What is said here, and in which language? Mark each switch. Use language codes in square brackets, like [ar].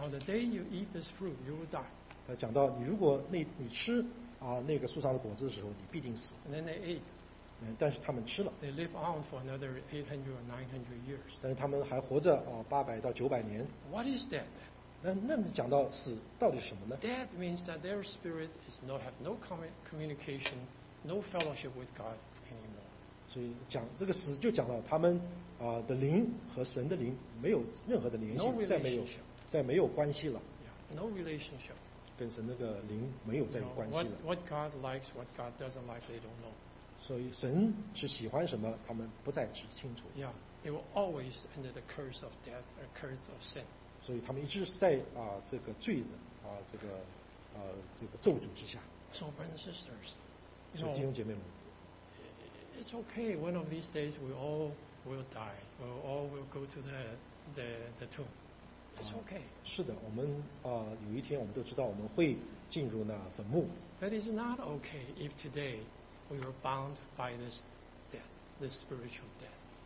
[en] Now the day you eat this fruit, you will die. [zh] 他讲到你如果你吃那个树上的果子的时候，你必定死。 [en] And then they ate. [zh] 但是他们吃了。 [en] They live on for another 800 or 900 years. [zh] 但是他们还活着800到900年。 [en] What is death then? [zh] 那么讲到死到底是什么呢？ [en] Death means that their spirit is not have no communication, no fellowship with God anymore. [zh] 所以这个死就讲到他们的灵和神的灵没有任何的联系， [en] no、relationship. [zh] 再没有关系了。 [en] Yeah, no relationship. [zh] 跟神那个灵没有再有关系了。 [en] You know, what God likes, what God doesn't like, they don't know. [zh] 所以神是喜欢什么，他们不再知清楚。 [en] Yeah, they were always under the curse of death, a curse of sin. [zh] 所以他们一直在这个罪的这个咒诅之下。 [en] So brothers and sisters, [zh] 所以弟兄姐妹们 [en] ，It's okay. One of these days, we all will die. We all will go to the tomb. It's okay. [zh] 是的，我们有一天我们都知道我们会进入那坟墓。 [en] But it's not okay if today. We are bound by this death, this spiritual death.